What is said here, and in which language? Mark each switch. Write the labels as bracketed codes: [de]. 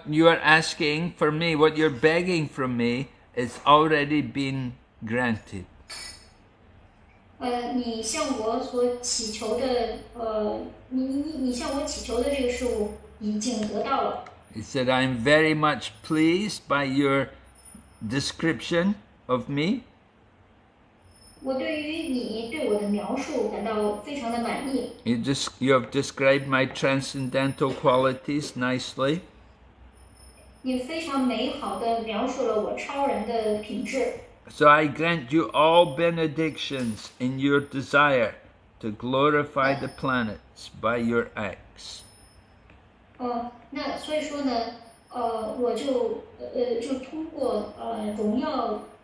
[en] you are asking for me, what you're begging from me, is already been granted. [zh] 你向我祈求的这个事物已经得到了。He [en] said, I am very much pleased by your description of me. [zh] 我对于你对我的描述感到非常的满意。 [en] You have described my transcendental qualities nicely. [zh] 你非常美好地描述了我超人的品质。 [en] So I grant you all benedictions in your desire to glorify the planets by your acts. [zh] 那所以说呢，我就通过荣耀。